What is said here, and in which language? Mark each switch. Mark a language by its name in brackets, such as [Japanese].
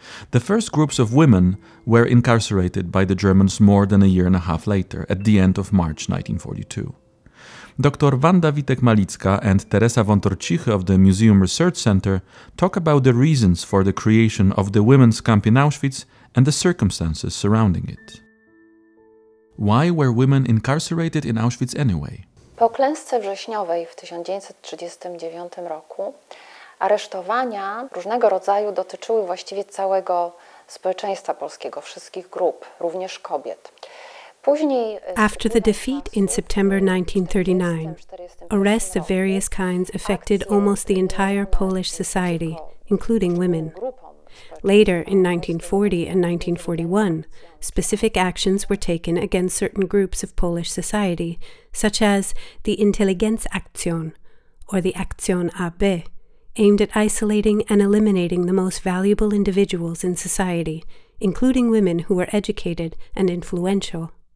[English] The first groups of women were incarcerated by the Germans more than a year and a half later, at the end of March 1942. Dr. Wanda Witek-Malicka and Teresa von Torciche of the Museum Research Center talk about the reasons for the creation of the women's camp in Auschwitz and the circumstances surrounding it. Why were women incarcerated in Auschwitz anyway? [Polish] Po klęsce wrześniowej w 1939 roku aresztowania różnego rodzaju dotyczyły właściwie całego społeczeństwa polskiego, wszystkich grup, również kobiet. [English] After the defeat in September 1939, arrests of various kinds affected almost the entire Polish society, including women. Later, in 1940 and 1941, specific actions were taken against certain groups of Polish society, such as the Intelligenzaktion, or the Aktion AB, aimed at isolating and eliminating the most valuable individuals in society, including women who were educated and influential.